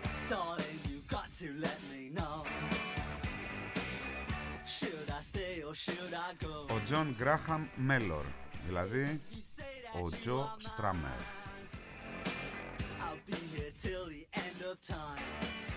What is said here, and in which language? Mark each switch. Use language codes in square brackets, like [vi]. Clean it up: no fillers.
[en] Darling, you got to let me know. Should I stay or should I go? [el] Ο John Graham Mellor, δηλαδή ο Τζο Στράμερ. [en] I'll be here till the end of time.